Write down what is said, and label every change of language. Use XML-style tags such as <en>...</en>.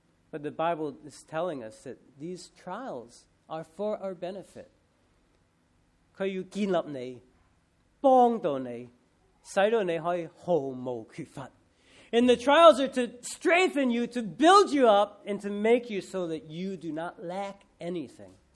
<en>But the Bible is telling us that these trials are for our benefit.</en> <zh>它要建立你，帮助你，使到你可以毫无缺乏。</zh> <en>And the trials are to strengthen you, to build you up, and to make you so that you do not lack anything.</en>